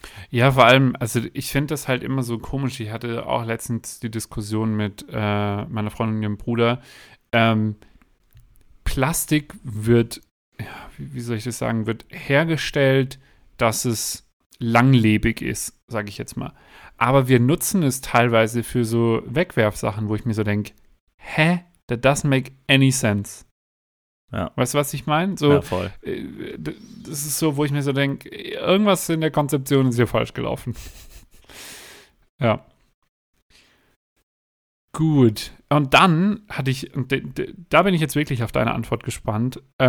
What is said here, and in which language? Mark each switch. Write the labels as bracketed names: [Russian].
[German] Ja, vor allem, also ich finde das halt immer so komisch. Ich hatte auch letztens die Diskussion mit meiner Freundin und ihrem Bruder. Plastik wird, ja, wie soll ich das sagen, wird hergestellt, dass es langlebig ist, sage ich jetzt mal. Aber wir nutzen es teilweise für so Wegwerfsachen, wo ich mir so denke, hä? [English] That doesn't make any sense. [German] Ja. Weißt du, was ich meine? So, ja, voll. Das ist so, wo ich mir so denke, irgendwas in der Konzeption ist hier falsch gelaufen. Ja. Gut. Und dann hatte ich, da bin ich jetzt wirklich auf deine Antwort gespannt.